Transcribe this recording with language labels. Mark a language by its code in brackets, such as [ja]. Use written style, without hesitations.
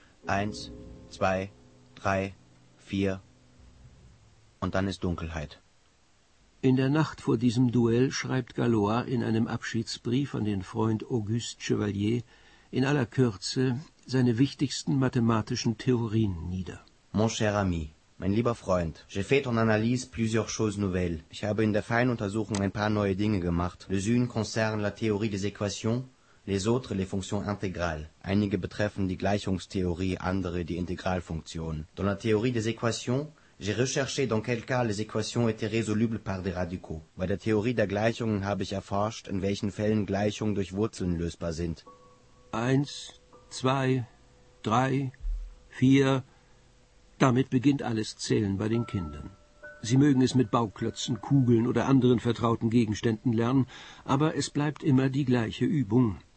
[de] Eins, zwei, drei, vier. Und dann ist Dunkelheit. In der Nacht vor diesem Duell schreibt Galois in einem Abschiedsbrief an den Freund Auguste Chevalier in aller Kürze seine wichtigsten mathematischen Theorien nieder. [fr] Mon cher ami, [de] mein lieber Freund, [fr] j'ai fait en analyse plusieurs choses nouvelles. [de] Ich habe in der Feinuntersuchung ein paar neue Dinge gemacht. [fr] Les unes concernent la théorie des équations, les autres les fonctions intégrales. [de] Einige betreffen die Gleichungstheorie, andere die Integralfunktion. [fr] Dans la théorie des équations, j'ai recherché dans quel cas les équations étaient résolubles par des radicaux. [de] Bei der Theorie der Gleichungen habe ich erforscht, in welchen Fällen Gleichungen durch Wurzeln lösbar sind. Eins, zwei, drei, vier. Damit beginnt alles Zählen bei den Kindern. Sie mögen es mit Bauklötzen, Kugeln oder anderen vertrauten Gegenständen lernen, aber es bleibt immer die gleiche Übung.